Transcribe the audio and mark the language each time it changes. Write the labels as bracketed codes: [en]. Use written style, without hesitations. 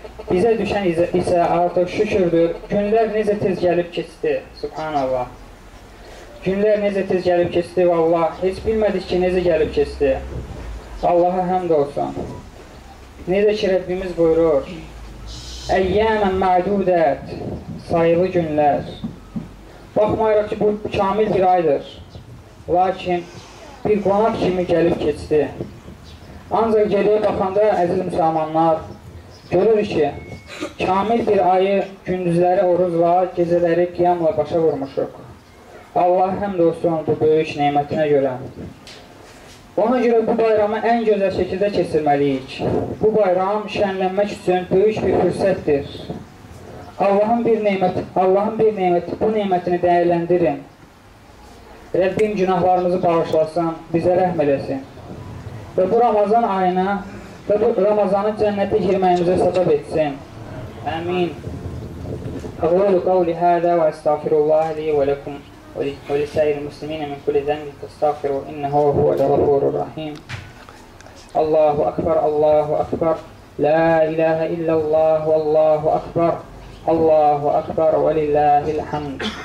[az] Bizə düşən isə artıq şükürdür, günlər necə tez gəlib keçdi, subhanallah. Günlər necə tez gəlib keçdi, valla, heç bilmədik ki, necə gəlib keçdi. Allaha həmd olsun. Necə ki, Rəbbimiz buyurur, [ar] Əyyəmən məhdudət, [az] sayılı günlər. Baxmayaraq ki, bu kamil bir aydır. Lakin, bir qonaq kimi gəlib keçdi. Ancaq geriyə baxanda, əziz müsəlmanlar, görür ki, kamil bir ayı gündüzləri oruzla, gecələri qiyamla başa vurmuşuq. Allah həmd olsun bu böyük nimətinə görə. Ona görə bu bayramı ən gözəl şəkildə keçirməliyik. Bu bayram şənlənmək üçün böyük bir fürsətdir. Allahın bir niməti, bu nimətini dəyərləndirin. Rəbbim günahlarımızı bağışlasın, bizə rəhm eləsin. Və bu Ramazan ayına və bu Ramazanı cənnətə girməyimizə səbəb etsin. Əmin. [ar] Qavulu qavli hədə və əstəğfirullah li və ləkum. ولسائر المسلمين من كل ذنب تستغفروا إنه هو الغفور الرحيم الله أكبر الله أكبر لا إله إلا الله والله أكبر الله أكبر ولله الحمد